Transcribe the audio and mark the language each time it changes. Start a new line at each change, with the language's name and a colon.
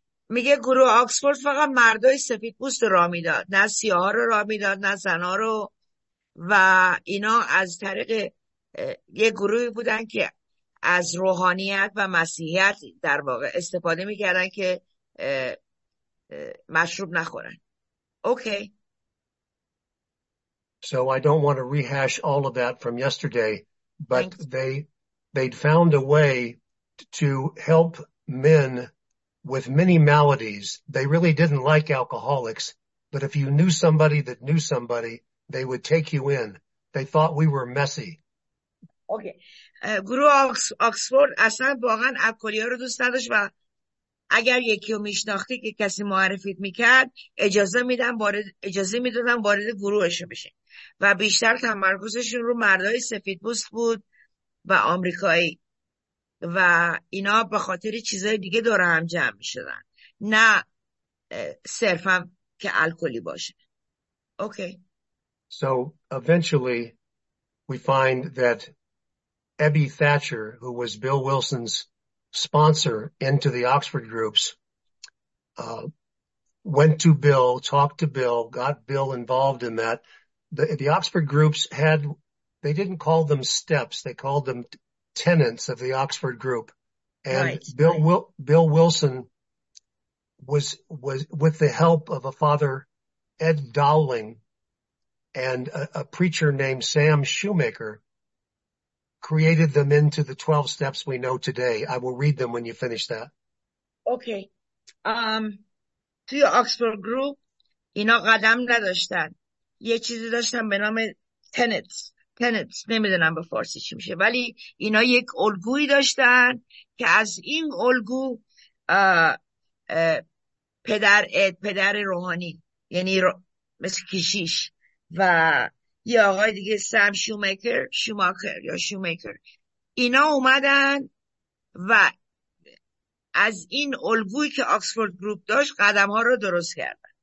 Persian: میگه گروه آکسفورد فقط مردای سفیدپوست رو راه میداد، نه سیاه رو راه میداد، نه زنا رو، و اینا از طریق یه گروهی بودن که از روحانیت و مسیحیت در واقع استفاده میکردن که مشروب نخورن.
English: Okay. So I don't want to rehash all of that from yesterday, but Thanks. they'd found a way to help men with many maladies. They really didn't like alcoholics, but if you knew somebody that knew somebody, they would take you in. They thought we were messy. Okay.
Persian: گروه آکسفورد اصلا واقعا الکلیا رو دوست نداشت و اگر یکی رو میشناختی که کسی معرفیت میکرد اجازه میدادن وارد گروهش بشه و بیشتر تمرکزشون رو مردای سفیدپوست بود و آمریکایی و اینا به خاطر چیزای دیگه دور هم جمع میشدن نه صرفا که الکلی باشه.
English: Okay. So eventually we find that Ebby Thatcher, who was Bill Wilson's sponsor into the Oxford groups, went to Bill, talked to Bill, got Bill involved in that. The Oxford groups had, they didn't call them steps, they called them tenants of the Oxford group. And right. Bill Wilson was with the help of a father, Ed Dowling, and a preacher named Sam Shoemaker, created them into the 12 steps we know today. I will read them when you finish that. Okay.
Persian: توی آکسفورد گروپ اینا قدم نداشتن. یه چیزی داشتن به نام تنتس. تنتس نمیدونم به فارسی چی میشه. ولی اینا یک الگویی داشتن که از این الگو پدر اد پدر روحانی یعنی مثل کشیش و یه آقای دیگه سم شوماکر اینا اومدن و از این الگویی که آکسفورد گروپ داشت قدم ها رو درست کردن.